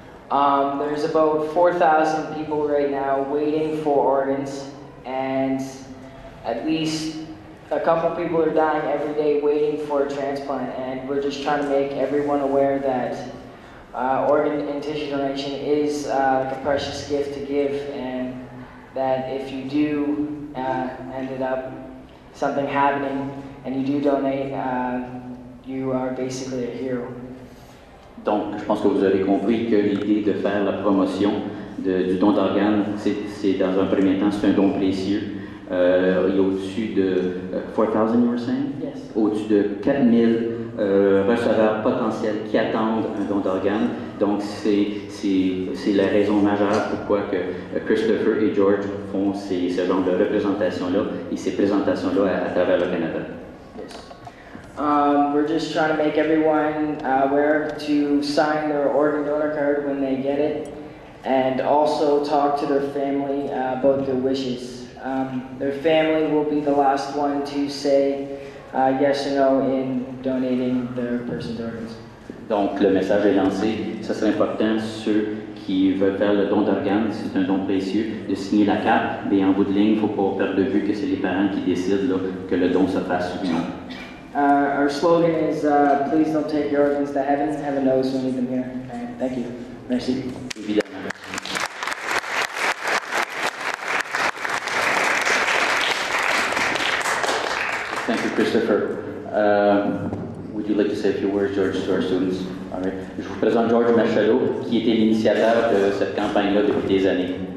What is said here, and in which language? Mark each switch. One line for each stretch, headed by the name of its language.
English: There's about 4,000 people right now waiting for organs, and at least a couple people are dying every day waiting for a transplant, and we're just trying to make everyone aware that organ and tissue donation is a precious gift to give, and that if you do ended up something happening, and you do donate, you are basically a hero.
French: Donc, je pense que vous avez compris que l'idée de faire la promotion du don d'organes, c'est dans un premier temps, c'est un don précieux. Il y a au-dessus de 4,000,
English: you were saying? Yes.
French: Au-dessus de 4,000 receveurs potentiels qui attendent un don d'organes. Donc, c'est la raison majeure pourquoi que Kristopher et George font ce genre de représentations-là et ces présentations-là à travers le Canada.
English: We're just trying to make everyone aware to sign their organ donor card when they get it and also talk to their family about their wishes. Their family will be the last one to say yes or no in donating their person's organs.
French: Donc le message est lancé. Ce serait important ceux qui veulent faire le don d'organes, c'est un don précieux, de signer la carte, mais en bout de ligne, il ne faut pas perdre de vue que c'est les parents qui décident là, que le don se fasse ou non.
English: Our slogan is, please don't take your organs to heaven. Heaven knows we need them here. Okay. Thank you. Merci. Thank you, Christopher. Would you like to say a few words, George, to our students? All right.
French: Je vous présente George Marcello, qui était l'initiateur de cette campagne-là depuis des années.